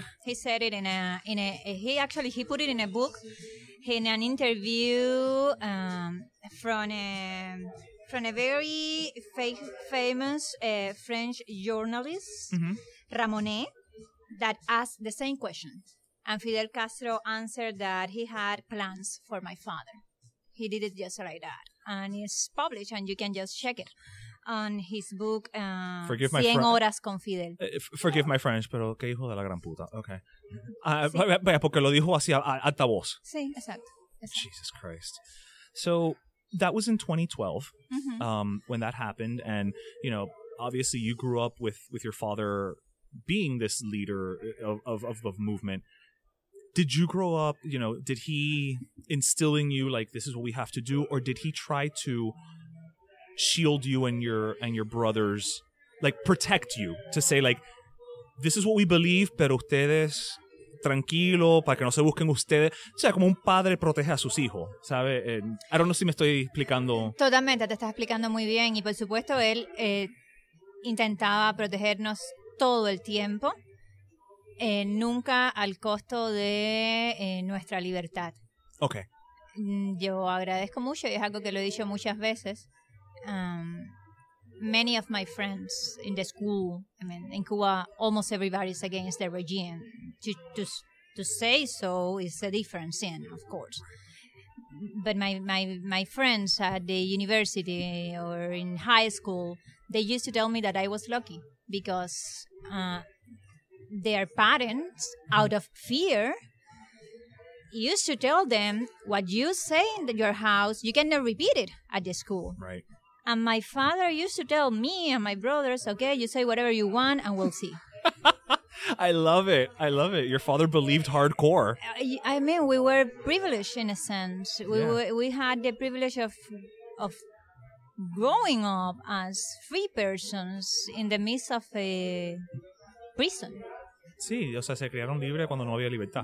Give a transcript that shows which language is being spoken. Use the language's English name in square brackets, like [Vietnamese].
[English] it. He said it in a... He actually, he put it in a book, in an interview from a very famous French journalist. Mm-hmm. Ramonet, that asked the same question. And Fidel Castro answered that he had plans for my father. He did it just like that. And it's published, and you can just check it on his book, Cien Horas con Fidel. Forgive my French, [Spanish] pero qué hijo de la gran puta. Okay. Vaya, porque lo dijo así a alta voz. Sí, exacto. [English] Jesus Christ. So that was in 2012 mm-hmm. When that happened. And, you know, obviously you grew up with your father being this leader of movement. Did you grow up, you know, did he instill in you, like, this is what we have to do? Or did he try to shield you and your brothers, like, protect you? To say, like, this is what we believe, [Spanish] pero ustedes, tranquilo, para que no se busquen ustedes. O sea, como un padre protege a sus hijos, ¿sabe? [English] I don't know [Spanish] si me estoy explicando. Totalmente, te estás explicando muy bien. Y, por supuesto, él intentaba protegernos todo el tiempo. Nunca al costo de nuestra libertad. Okay. Yo agradezco mucho y es algo que lo he dicho muchas veces. [English] Many of my friends in the school, I mean, in Cuba, almost everybody is against the regime. To say so is a different sin, of course. But my friends at the university or in high school, they used to tell me that I was lucky because their parents, out of fear, used to tell them, what you say in your house, you cannot repeat it at the school. Right. And my father used to tell me and my brothers, okay, you say whatever you want and we'll see. I love it. I love it. Your father believed hardcore. I mean, we were privileged in a sense. We had the privilege of growing up as free persons in the midst of a prison. [Spanish] Sí, o sea, se criaron libres cuando no había libertad.